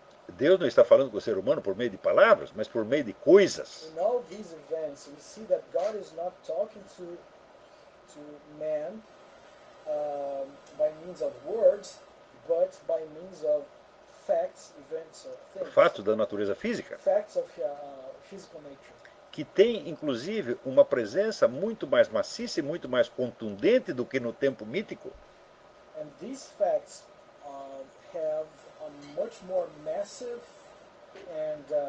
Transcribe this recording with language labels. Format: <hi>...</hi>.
<pt>Deus não está falando com o ser humano por meio de palavras, mas por meio de coisas.</pt> <en>In all these events, we see that God is not talking to man by means of words, but by means of facts, events or things.</en> <pt>Fatos da natureza física.</pt> <en>Facts of physical nature.</en> <pt>Que tem, inclusive, uma presença muito mais maciça e muito mais contundente do que no tempo mítico.</pt> <en>And these facts have a much more massive and</en>